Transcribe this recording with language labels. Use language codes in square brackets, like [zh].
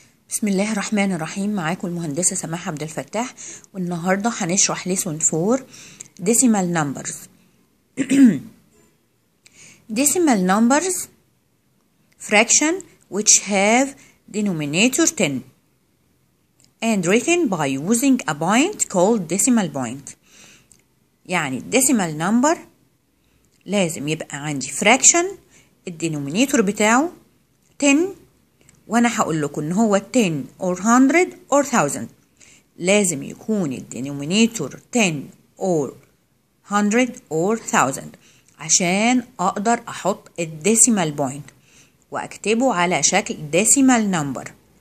[ar] بسم الله الرحمن الرحيم، معاكم المهندسه سماح عبد الفتاح، والنهارده هنشرح ليسون 4 ديسيمال نمبرز. ديسيمال نمبرز فراكشن [en] which have denominator 10 and written by using a point called decimal point. [ar] يعني ديسيمال نمبر لازم يبقى عندي فراكشن الدينومينيتور بتاعه 10، وانا هقول لكم ان هو [en] 10 or 100 or 1000. [ar] لازم يكون الدينومينيتور [en] 10 or 100 or 1000 [ar] عشان اقدر احط الديسيمال بوينت واكتبه على شكل ديسيمال نمبر.